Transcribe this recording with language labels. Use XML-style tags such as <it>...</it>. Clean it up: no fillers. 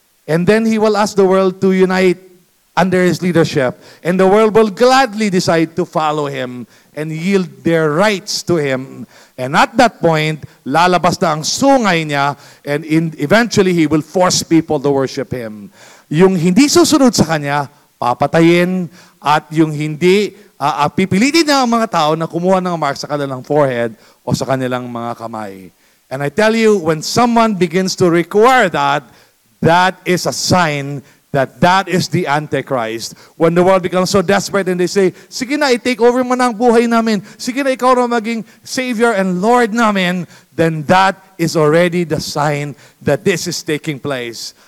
<en>And then he will ask the world to unite under his leadership. And the world will gladly decide to follow him and yield their rights to him. And at that point,</en> <tl>lalabas na ang sungay niya</tl> <en>and eventually he will force people to worship him.</en> <tl>Yung hindi susunod sa kanya, papatayin, at yung hindi, pipilitin niya ang mga tao na kumuha ng mark sa kanilang forehead o sa kanilang mga kamay.</tl> <en>And I tell you, when someone begins to require that, that is a sign that that is the Antichrist. When the world becomes so desperate and they say,</en> <tl>sige na, i-take over mo na ang buhay namin. Sige na, ikaw na maging Savior and Lord namin.</tl> <en>Then that is already the sign that this is taking place.</en>